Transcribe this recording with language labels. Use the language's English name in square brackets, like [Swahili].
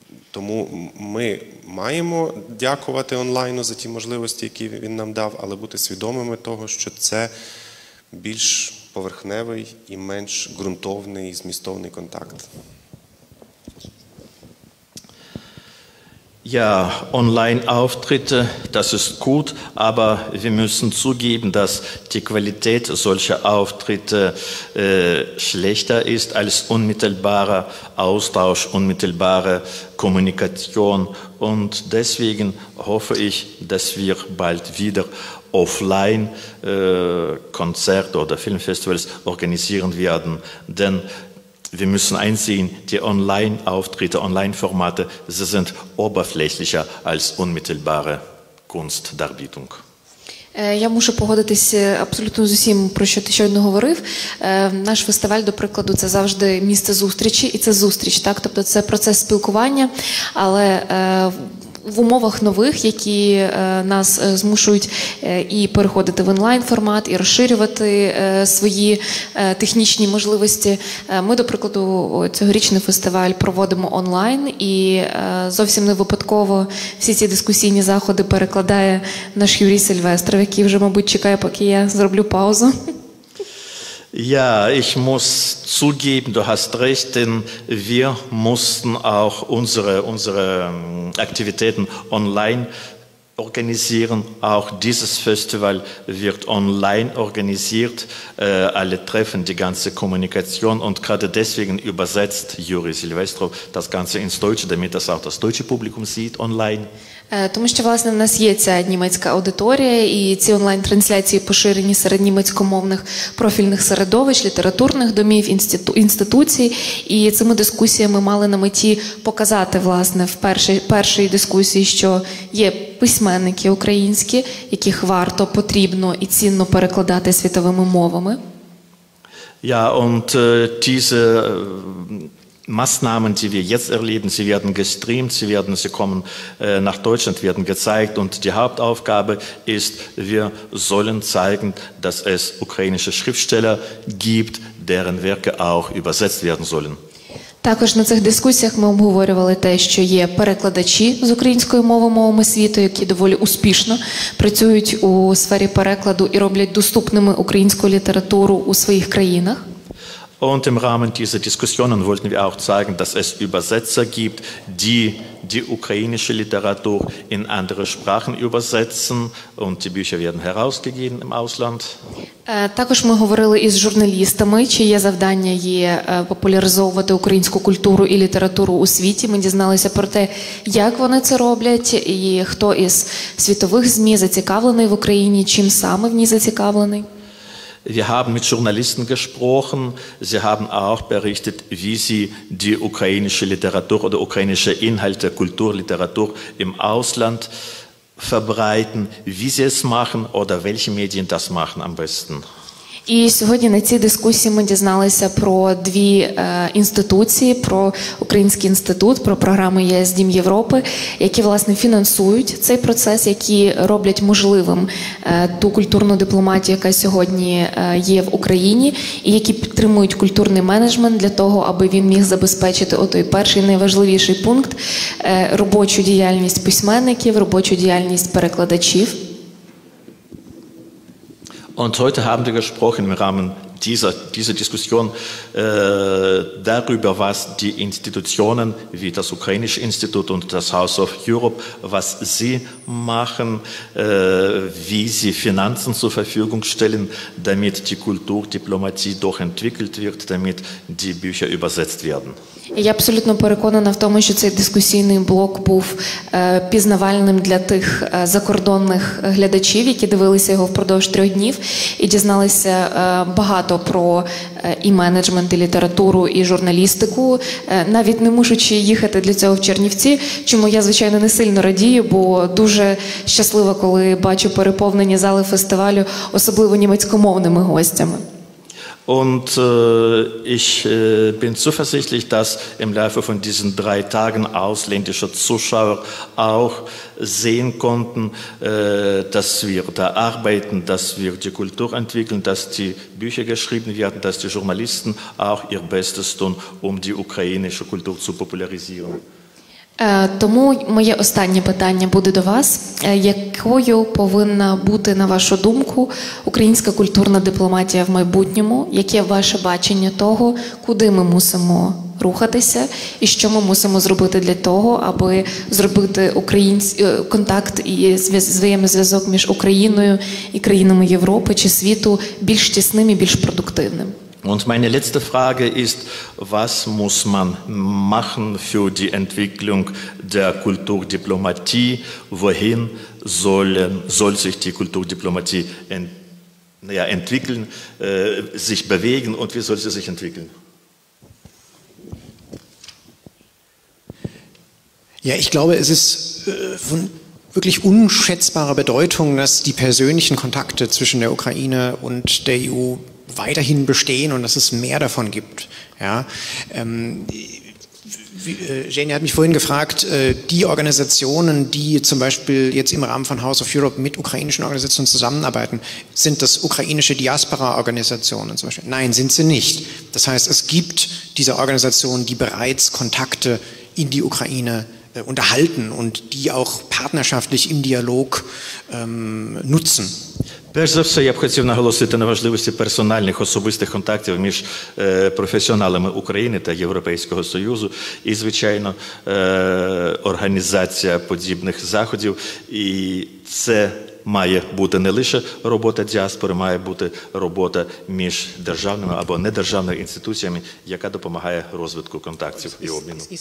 [Ukrainian] Тому ми маємо дякувати онлайну за ті можливості, які він нам дав, але бути свідомими того, що це більш поверхневий і менш ґрунтовний і змістовний контакт. [German] Ja, Online-Auftritte, das ist gut, aber wir müssen zugeben, dass die Qualität solcher Auftritte schlechter ist als unmittelbarer Austausch, unmittelbare Kommunikation. Und deswegen hoffe ich, dass wir bald wieder offline Konzerte oder Filmfestivals organisieren werden, denn wir müssen einsehen, die Online-Auftritte, Online-Formate, sie sind oberflächlicher als unmittelbare Kunstdarbietung. [Ukrainian] Я мушу погодитися абсолютно з усім, про що ти щойно говорив. Наш фестиваль, до прикладу, це завжди місце зустрічі, і це зустріч, так? Тобто це процес спілкування, але в умовах нових, які нас змушують і переходити в онлайн-формат, і розширювати свої технічні можливості, ми, до прикладу, цьогорічний фестиваль проводимо онлайн, і зовсім не випадково всі ці дискусійні заходи перекладає наш Юрій Сильвестров, який вже, мабуть, чекає, поки я зроблю паузу. [German] Ja, ich muss zugeben, du hast recht, denn wir mussten auch unsere Aktivitäten online organisieren. Auch dieses Festival wird online organisiert. Alle Treffen, die ganze Kommunikation und gerade deswegen übersetzt Juri Silvestrov das Ganze ins Deutsche, damit das auch das deutsche Publikum sieht online. [Ukrainian] Тому що, власне, в нас є ця німецька аудиторія, і ці онлайн-трансляції поширені серед німецькомовних профільних середовищ, літературних домів, інституцій. І цими дискусіями мали на меті показати, власне, в першій дискусії, що є письменники українські, яких варто, потрібно і цінно перекладати світовими мовами. [German] Ja, und diese Maßnahmen, die wir jetzt erleben, sie werden gestreamt, sie kommen nach Deutschland, werden gezeigt und die Hauptaufgabe ist, wir sollen zeigen, dass es ukrainische Schriftsteller gibt, deren Werke auch übersetzt werden sollen. [Ukrainian] Також на цих дискусіях ми обговорювали те, що є перекладачі з української мови мовами світу, які доволі успішно працюють у сфері перекладу і роблять доступними українську літературу у своїх країнах. [German] Und im Rahmen dieser Diskussionen wollten wir auch zeigen, dass es Übersetzer gibt, die die ukrainische Literatur in andere Sprachen übersetzen und die Bücher werden herausgegeben im Ausland. [Ukrainian] Також ми говорили із журналістами, чиє завдання є популяризовувати українську культуру і літературу у світі. Ми дізналися про те, як вони це роблять і хто із світових ЗМІ зацікавлений в Україні, чим саме в ній зацікавлений. [German] Wir haben mit Journalisten gesprochen, sie haben auch berichtet, wie sie die ukrainische Literatur oder ukrainische Inhalte, Kulturliteratur im Ausland verbreiten, wie sie es machen oder welche Medien das machen am besten. [Ukrainian] І сьогодні на цій дискусії ми дізналися про дві інституції, про Український інститут, про програми ЄС Дім Європи, які, власне, фінансують цей процес, які роблять можливим ту культурну дипломатію, яка сьогодні є в Україні, і які підтримують культурний менеджмент для того, аби він міг забезпечити отой перший найважливіший пункт – робочу діяльність письменників, робочу діяльність перекладачів. [German] Und heute haben wir gesprochen im Rahmen dieser Diskussion darüber, was die Institutionen wie das Ukrainische Institut und das House of Europe, was sie machen, wie sie Finanzen zur Verfügung stellen, damit die Kulturdiplomatie doch entwickelt wird, damit die Bücher übersetzt werden. [Ukrainian] Я абсолютно переконана в тому, що цей дискусійний блок був пізнавальним для тих закордонних глядачів, які дивилися його впродовж трьох днів і дізналися багато про і менеджмент, і літературу, і журналістику, навіть не мушучи їхати для цього в Чернівці, чому я, звичайно, не сильно радію, бо дуже щаслива, коли бачу переповнені зали фестивалю особливо німецькомовними гостями. [German] Und ich bin zuversichtlich, dass im Laufe von diesen drei Tagen ausländische Zuschauer auch sehen konnten, dass wir da arbeiten, dass wir die Kultur entwickeln, dass die Bücher geschrieben werden, dass die Journalisten auch ihr Bestes tun, um die ukrainische Kultur zu popularisieren. [Ukrainian] Тому моє останнє питання буде до вас. Якою повинна бути, на вашу думку, українська культурна дипломатія в майбутньому? Яке ваше бачення того, куди ми мусимо рухатися і що ми мусимо зробити для того, аби зробити контакт і взаємозв'язок між Україною і країнами Європи чи світу більш тісним і більш продуктивним? [German] Und meine letzte Frage ist, was muss man machen für die Entwicklung der Kulturdiplomatie? Wohin soll sich die Kulturdiplomatie entwickeln, sich bewegen und wie soll sie sich entwickeln? Ja, ich glaube, es ist von wirklich unschätzbarer Bedeutung, dass die persönlichen Kontakte zwischen der Ukraine und der EU weiterhin bestehen und dass es mehr davon gibt. Ja, Jenny hat mich vorhin gefragt, die Organisationen, die zum Beispiel jetzt im Rahmen von House of Europe mit ukrainischen Organisationen zusammenarbeiten, sind das ukrainische Diaspora-Organisationen zum Beispiel? Nein, sind sie nicht. Das heißt, es gibt diese Organisationen, die bereits Kontakte in die Ukraine unterhalten und die auch partnerschaftlich im Dialog nutzen. [Ukrainian] Перш за все, я б хотів наголосити на важливості персональних особистих контактів між професіоналами України та Європейського Союзу і, звичайно, організація подібних заходів. І це має бути не лише робота діаспори, має бути робота між державними або недержавними інституціями, яка допомагає розвитку контактів і обміну.